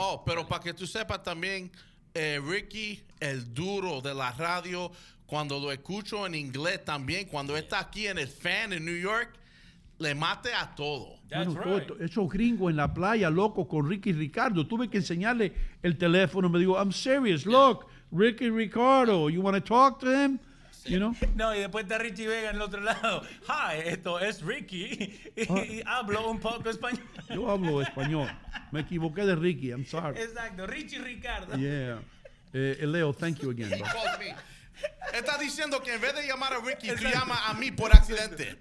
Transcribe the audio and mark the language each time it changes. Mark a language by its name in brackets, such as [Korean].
[Spanish] Oh, pero para que tú sepas también, Ricky, el duro de la radio, cuando lo escucho en inglés también, cuando está aquí en el fan en New York, le mate a todo. [English] That's bueno, right. [Spanish] Esos gringos en la playa, loco, con Ricky Ricardo, tuve que enseñarle el teléfono. Me digo, [English] I'm serious, yeah. Look, Ricky Ricardo, you want to talk to him? You know? [Spanish] No, y después está Richie Vega en el otro lado. Hi, esto es Ricky. Y hablo un poco español. Yo hablo español. Me equivoqué de Ricky, [English] I'm sorry. [Spanish] Exacto, Richie Ricardo. [English] Yeah. Leo, thank you again. Bro. [Spanish] Estás diciendo que en vez de llamar a Ricky, exacto, tú llamas a mí por accidente.